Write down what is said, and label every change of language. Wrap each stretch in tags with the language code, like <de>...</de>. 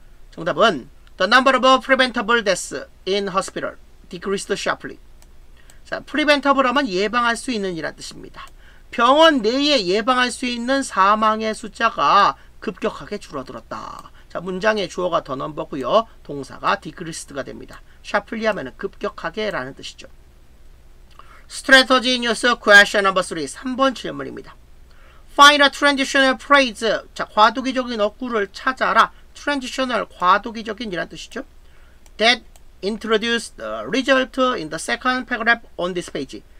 <en>정답은 the number of preventable deaths in hospital decreased sharply.</en> <ko>자, preventable 하면 예방할 수 있는 이란 뜻입니다. 병원 내에 예방할 수 있는 사망의 숫자가 급격하게 줄어들었다. 자, 문장의 주어가 더 넘버고요. 동사가 decreased가 됩니다. sharply 하면 급격하게 라는 뜻이죠.</ko> <en>strategy in use question number 3,</en> <ko>3번 질문입니다.</ko> <en>find a transitional phrase.</en> <ko>자, 과도기적인 어구를 찾아라. transitional, 과도기적인 이란 뜻이죠.</ko> <en>that introduced the result in the second paragraph on this page.</en>